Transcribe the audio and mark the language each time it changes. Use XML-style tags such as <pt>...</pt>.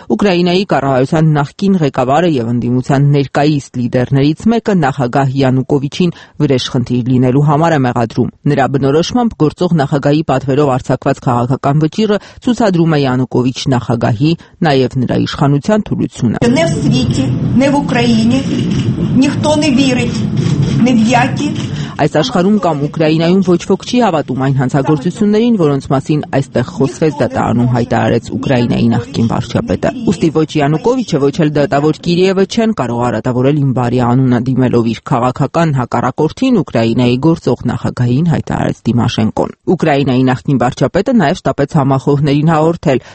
<hy>Ուկրաինայի կառավարության նախկին ղեկավարը և ընդդիմության ներկայիս լիդերներից մեկը նախագահ Յանուկովիչին վրեժխնդիր լինելու համար է մեղադրում։ Նրա բնորոշմամբ գործող նախագահի պատվերով արձակված քաղաքական վճիռը ցուցադրում է Յանուկովիչ նախագահի նաև նրա իշխան</hy> <uk>Не в світі, не в Україні ніхто не вірить, не в які.</uk> <hy>Այս աշխարհում կամ Ուկրաինայում ոչ ոք չի հավատում այն հանցագործություններին, որոնց մասին այստեղ խոսվեց դատարանում, հայտարարեց Ուկրաինայի նախկին վարչապետը։ Ուստի ոչ Յանուկովիչը, ոչ էլ դատավոր Կիրիևը չեն կարող արատավորել իմ բարի անունը, դիմելով իր քաղաքական հակառակորդին, Ուկրաինայի գործող նախագահին, հայտարարեց Տիմոշենկոն։ Ուկրաինայի նախկին վարչապետը նաև շտապեց համախոհներին հաղորդել,</hy>